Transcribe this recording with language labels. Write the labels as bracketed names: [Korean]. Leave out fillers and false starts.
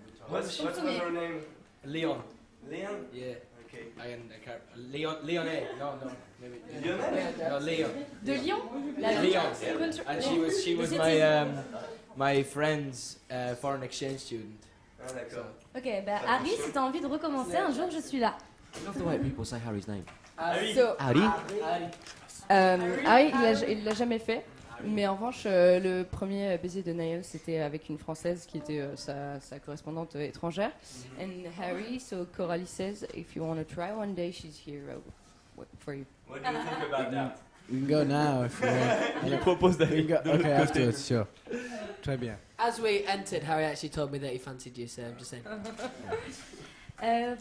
[English] What's her name? Leon. Leon? Yeah. Okay. Leon. Leon. Yeah. And she was my friend's foreign exchange student. Oh, [French] d'accord. Okay, Harry, si t'as envie de recommencer, un jour je suis là. [English] I love the way people say Harry's name. [French] Harry, il l'a jamais fait. Harry. Mais en revanche, le premier baiser de Niall, c'était avec une Française qui était sa correspondante étrangère. Mm-hmm. [English] And Harry, so Coralie says, if you want to try one day, she's here for you. What do you think about that? We can go now if you want. [French] Je propose d'aller. [English] Okay, afterwards, sure. [French] Très bien. [English] As we entered, Harry actually told me that he fancied you, so I'm just saying.